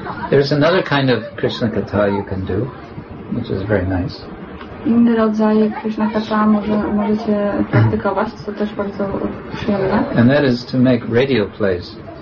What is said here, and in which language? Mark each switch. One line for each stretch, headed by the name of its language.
English: There's another kind of Krishna Katha you can do, which is very nice.
Polish: Inny rodzaj Krishna Katha możecie praktykować, co też bardzo przyjemne.
English: And that is to make radio plays.